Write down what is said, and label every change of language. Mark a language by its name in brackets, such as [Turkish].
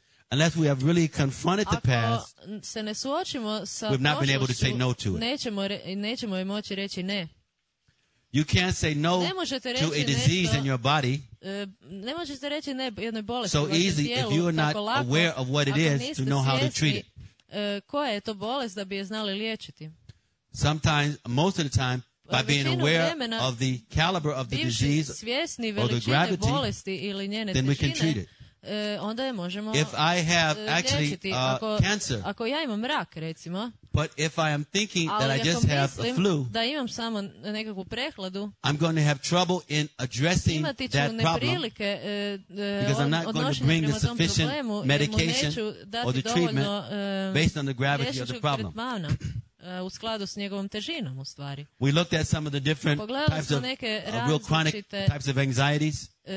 [English] unless we have really confronted the past, [Croatian] se ne suočimo sa [English] we've not been able to say no to it. [Croatian] Nećemo i moći reći ne. [English] You can't say no to a disease [Croatian] nešto, [English] in your body. [Croatian] Ne možete reći ne jednoj bolesti. [English] So easy if you are not [Croatian] lako, [English] aware of what it is to know [Croatian] svjesni, [English] how to treat it. [Croatian] Koja je to bolest da bi je znali liječiti? [English] Sometimes, most of the time, by being aware of the caliber of the disease or the gravity, then we can treat it. [Croatian] Onda je možemo [English] if I have actually [Croatian] ako, [English] cancer, [Croatian] ako ja imam rak, recimo, [English] but if I am thinking that I just have a flu, [Croatian] da imam samo nekakvu prehladu, [English] I'm going to have trouble in addressing that problem because I'm not going to bring the sufficient medication or the treatment based on the gravity of the problem. [Croatian] U skladu s njegovom težinom, u stvari. [English] We looked at some of the different types of real chronic types of anxieties.